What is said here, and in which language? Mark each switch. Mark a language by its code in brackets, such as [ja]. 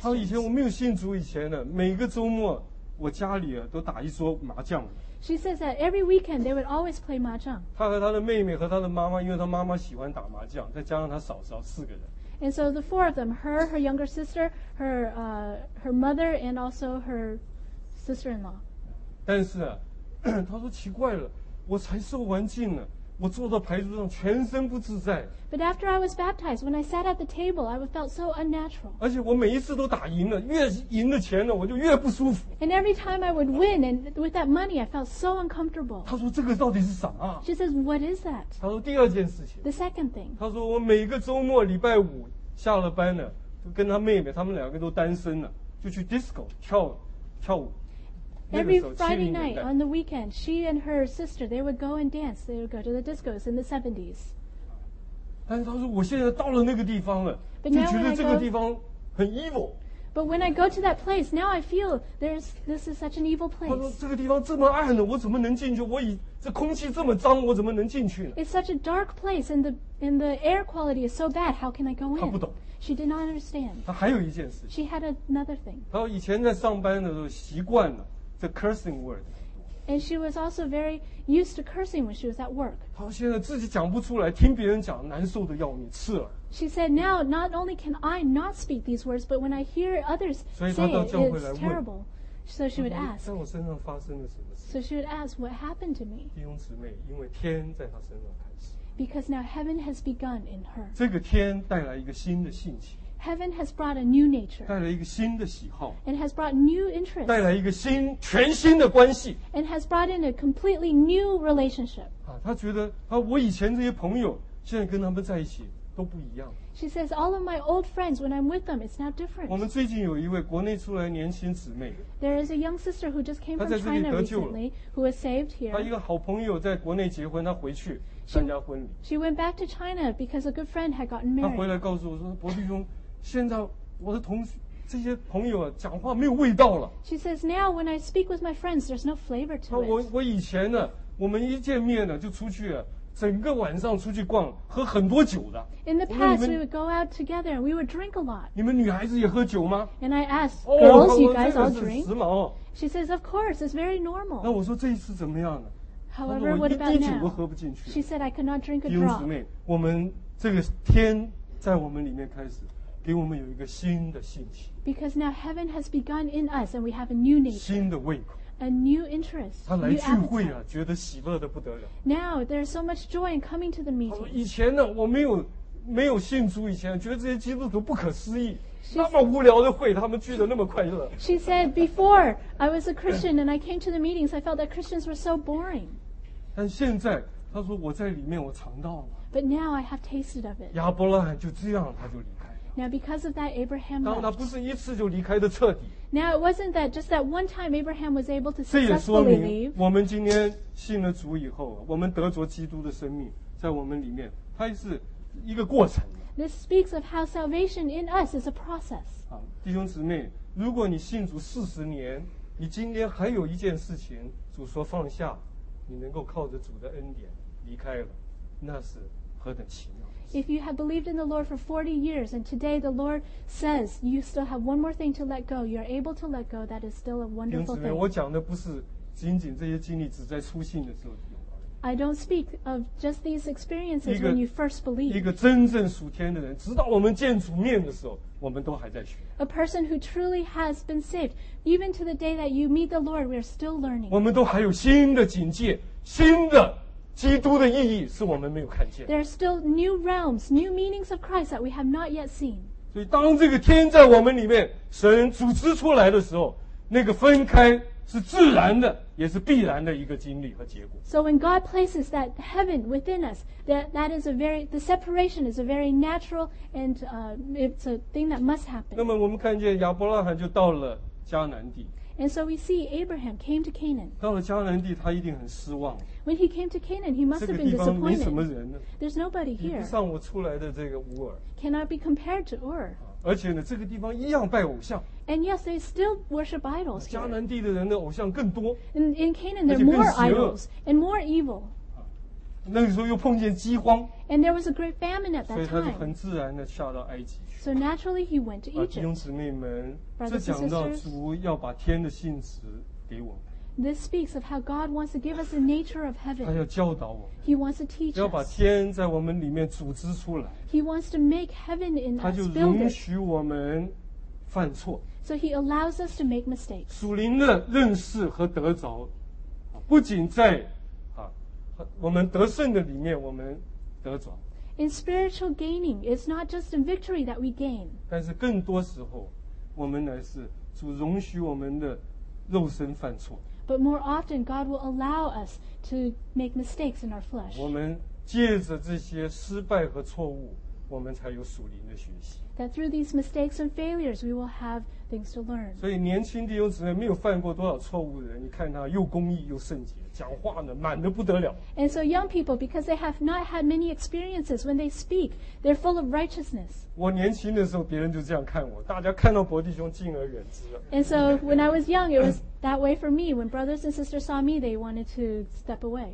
[zh] 她说以前我没有信主以前呢，每个周末我家里啊都打一桌麻将。 [en] She says that every weekend they would always play mahjong. [zh] 她和她的妹妹和她的妈妈，因为她妈妈喜欢打麻将，再加上她嫂嫂，四个人。 [en] And so the four of them, her younger sister, her mother, and also her sister-in-law. [zh] 但是啊，她说奇怪了。我才受完浸呢，我坐到牌桌上全身不自在。 [en] But after I was baptized, when I sat at the table, I felt so unnatural. [zh] 而且我每一次都打赢了，越赢了钱呢，我就越不舒服。 [en] And every time I would win, and with that money, I felt so uncomfortable. [zh] 他说这个到底是啥啊？ [en] She says, what is that? [zh] 他说第二件事情。 [en] The second thing. [zh] 他说我每个周末礼拜五下了班呢，就跟他妹妹，他们两个都单身了，就去 disco 跳舞。 [en] Every Friday night on the weekend, she and her sister, they would go and dance. They would go to the discos in the 70s. [zh] 但是她说我现在到了那个地方了，就觉得这个地方很 [en] evil. But when I go to that place, now I feel this is such an evil place. [zh] 她说这个地方这么暗了，我怎么能进去？这空气这么脏，我怎么能进去呢？ [en] It's such a dark place, and the air quality is so bad. How can I go in? [zh] 她不懂。 [en] She did not understand. [zh] 她还有一件事。 [en] She had another thing. [zh] 她说以前在上班的时候习惯了。 [en] The cursing word. And she was also very used to cursing when she was at work. [zh] 她现在自己讲不出来，听别人讲难受的要命，刺耳。 [en] She said, "Now, not only can I not speak these words, but when I hear others say it, it's terrible." So she would ask. [zh] 在我身上发生了什么事？ [en] So she would ask, "What happened to me?" [zh] 弟兄姊妹，因为天在她身上开始。 [en] Because now heaven has begun in her. [zh] 这个天带来一个新的性情。 [en] Heaven has brought a new nature. [zh] 带来一个新的喜好。 [en] It has brought new interest. [zh] 带来一个新全新的关系。 [en] And has brought in a completely new relationship. [zh] 他觉得我以前这些朋友现在跟他们在一起都不一样。 [en] She says, all of my old friends, when I'm with them, it's now different. [zh] 我们最近有一位国内出来的年轻姊妹。 [en] There is a young sister who just came from China recently. [zh] 她在这里得救了。 [en] Who was saved here. [zh] 她一个好朋友在国内结婚，她回去参加婚礼。 [en] She went back to China because a good friend had gotten married. [zh] 她回来告诉我说，伯弟兄，现在我的同学这些朋友讲话没有味道了。 [en] She says, now when I speak with my friends, there's no flavor to it. [zh] 我以前呢，我们一见面呢就出去了。整个晚上出去逛，喝很多酒的。 [en] In the past, we would go out together and we would drink a lot. [zh] 你们女孩子也喝酒吗 [en] ？And I asked girls, you guys all drink? [zh] 这个是时髦。 [en] She says, of course, it's very normal. [zh] 那我说这一次怎么样呢 [en] ？However, what about now? [zh] 一滴酒都喝不进去。 [en] She said, I could not drink a drop. [zh] 弟兄姊妹，我们这个天在我们里面开始，给我们有一个新的性情。 [en] Because now heaven has begun in us, and we have a new nature. [zh] 新的胃口。 [en] A new interest. [zh] 他来聚会啊，觉得喜乐的不得了。 [en] Now there's so much joy in coming to the meeting. [zh] 以前呢，我没有信主以前，觉得这些基督徒不可思议。那么无聊的会，他们聚得那么快乐。 [en] She said, "Before I was a Christian and I came to the meetings, I felt that Christians were so boring." [zh] 但现在，他说我在里面我尝到了。 [en] But now I have tasted of it. [zh] 亚伯拉罕就这样，他就离开了。 [en] Now because of that, Abraham left. [zh] 那不是一次就离开的彻底。 [en] Now, it wasn't that just that one time Abraham was able to successfully leave. [zh] 这也说明我们今天信了主以后，我们得着基督的生命在我们里面，它是一个过程。 [en] This speaks of how salvation in us is a process. [zh] 弟兄姊妹，如果你信主四十年，你今天还有一件事情主说放下，你能够靠着主的恩典离开了，那是何等奇妙。 [en] If you have believed in the Lord for 40 years and today the Lord says you still have one more thing to let go, you're able to let go, that is still a wonderful thing. [zh] 我讲的不是仅仅这些经历只在初信的时候。 [en] I don't speak of just these experiences when you first believe. [zh] 一个真正属天的人，直到我们见主面的时候，我们都还在学。 [en] A person who truly has been saved, even to the day that you meet the Lord, we're still learning. [zh] 我们都还有新的境界，新的基督的意义是我们没有看见。 [en] There are still new realms, new meanings of Christ that we have not yet seen. [zh] 所以当这个天在我们里面，神组织出来的时候，那个分开是自然的，也是必然的一个经历和结果。 [en] So when God places that heaven within us, that is a very, the separation is a very natural and it's a thing that must happen. [zh] 那么我们看见亚伯拉罕就到了迦南地。 [en] And so we see Abraham came to Canaan. [zh] 到了迦南地，他一定很失望。 [en] When he came to Canaan, he must have been disappointed. [zh] 这个地方没什么人呢。 [en] There's nobody here. [zh] 比不上我出来的这个乌尔。 [en] Cannot be compared to Ur. [zh] 而且呢，这个地方一样拜偶像。 [en] And yes, they still worship idols. [zh] 迦南地的人的偶像更多。 [en] And in Canaan, there are more idols and more evil. [zh] 那个时候又碰见饥荒。 [en] And there was a great famine at that time. [zh] 所以他就很自然地下到埃及。 [en] So naturally, he went to Egypt. [zh] 弟兄姊妹们，这讲到主要把天的性质给我们。 [en] This speaks of how God wants to give us the nature of heaven. [zh] 他要教导我们。 [en] He wants to teach us. [zh] 要把天在我们里面组织出来。 [en] He wants to make heaven in us. [zh] 他就容许我们犯错。 [en] So he allows us to make mistakes. [zh] 属灵的认识和得着，不仅在我们得胜的里面，我们得着。 [en] In spiritual gaining, it's not just a victory that we gain. [zh] 但是更多时候，我们乃是主容许我们的肉身犯错。 [en] But more often, God will allow us to make mistakes in our flesh. [zh] 我们借着这些失败和错误，我们才有属灵的学习。 [en] That through these mistakes and failures, we will have things to learn. [zh] 所以年轻弟兄姊妹没有犯过多少错误的人，你看他又公义又圣洁。讲话呢，满得不得了。 [en] And so young people, because they have not had many experiences, when they speak, they're full of righteousness. [zh] 我年轻的时候，别人就这样看我，大家看到伯弟兄敬而远之。 [en] And so when I was young, it was that way for me. When brothers and sisters saw me, they wanted to step away.